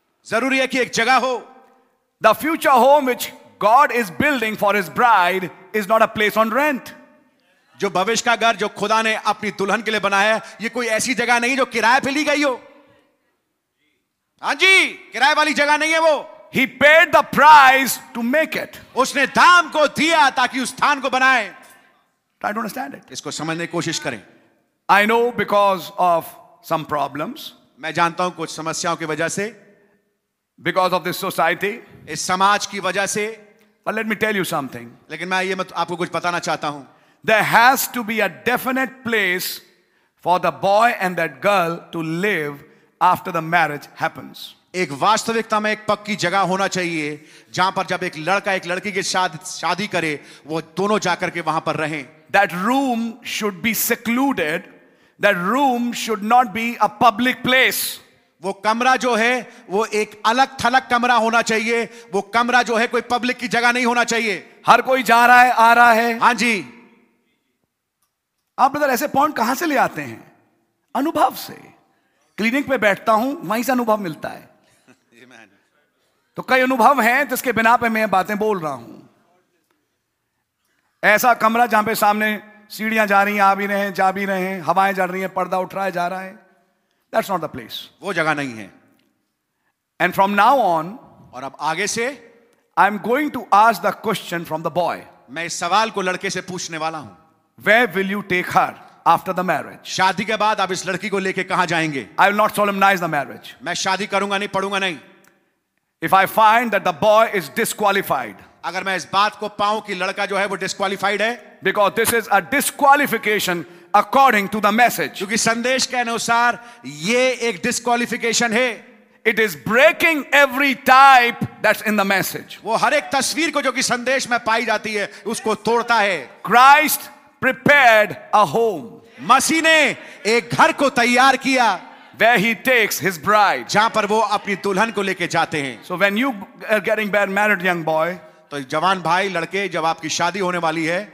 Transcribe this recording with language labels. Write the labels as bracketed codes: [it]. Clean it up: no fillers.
[hi] जरूरी है कि एक जगह हो. [en] The future home which God is building for his bride is not a place on rent. [hi] जो भविष्य का घर जो खुदा ने अपनी दुल्हन के लिए बनाया है, ये कोई ऐसी जगह नहीं जो किराए पर ली गई हो. हां जी, किराए वाली जगह नहीं है वो. [en] He paid the price to make it. [hi] उसने दाम को दिया ताकि उस स्थान को बनाए. [en] Try to understand it. [hi] इसको समझने की कोशिश करें. [en] I know because of some problems. [hi] मैं जानता हूं कुछ समस्याओं की वजह से. [en] Because of this society. [hi] इस समाज की वजह से. [en] But let me tell you something. [hi] लेकिन मैं ये आपको कुछ बताना चाहता हूं. [en] There has to be a definite place for the boy and that girl to live after the marriage happens. [hi] एक वास्तविकता में एक पक्की जगह होना चाहिए जहां पर जब एक लड़का एक लड़की के साथ शादी करे वो दोनों जाकर के वहां पर रहें. [en] That room should be secluded. That room should not be a public place. [hi] वो कमरा जो है वो एक अलग थलग कमरा होना चाहिए. वो कमरा जो है कोई पब्लिक की जगह नहीं होना चाहिए. हर कोई जा रहा है आ रहा है. हां जी, आप ब्रदर ऐसे पॉइंट कहां से ले आते हैं? अनुभव से. क्लिनिक में बैठता हूं वहीं से अनुभव मिलता है. तो कई अनुभव हैं जिसके बिना पे मैं बातें बोल रहा हूं. ऐसा कमरा जहां पे सामने सीढ़ियां जा रही हैं, आ भी रहे हैं, जा भी रहे हैं, हवाएं चल रही हैं, पर्दा उठाया जा रहा है, [en] That's not the place. [hi] वो जगह नहीं है. [en] and from now on, [hi] और अब आगे से, [en] I am going to ask the question from the boy. [hi] मैं इस सवाल को लड़के से पूछने वाला हूं. [en] Where will you take her after the marriage? [hi] शादी के बाद आप इस लड़की को लेके कहां जाएंगे? [en] I will not solemnize the marriage. [hi] मैं शादी करूंगा नहीं, पढ़ूंगा नहीं. [en] If I find that the boy is disqualified. [hi] अगर मैं इस बात को पाऊं कि लड़का जो है वो डिस्क्वालिफाइड है. [en] Because this is a disqualification according to the message. [hi] क्योंकि संदेश के अनुसार ये एक डिस्क्वालिफिकेशन है. [en] It is breaking every type that's in the message. [hi] वो हर एक तस्वीर को जो कि संदेश में पाई जाती है उसको तोड़ता है. [en] Christ prepared a home. [hi] मसीह ने एक घर को तैयार किया. [en] Where he takes his bride. [hi] जहां पर वो अपनी दुल्हन को लेके जाते हैं. [en] So when you are getting married, young boy. [hi] तो जवान भाई लड़के जब आपकी शादी होने वाली है.